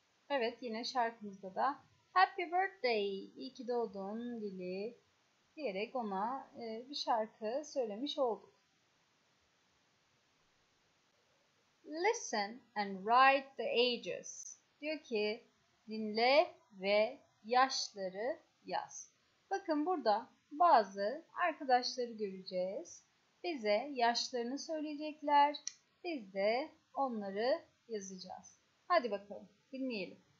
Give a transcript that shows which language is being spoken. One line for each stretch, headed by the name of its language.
Turkish: Evet, yine şarkımızda da
English: Happy Birthday,
Turkish: iyi ki doğdun Lily diyerek ona bir şarkı söylemiş olduk.
English: Listen and write the ages.
Turkish: Diyor ki dinle ve yaşları yaz. Bakın burada bazı arkadaşları göreceğiz. Bize yaşlarını söyleyecekler. Biz de onları yazacağız. Hadi bakalım dinleyelim.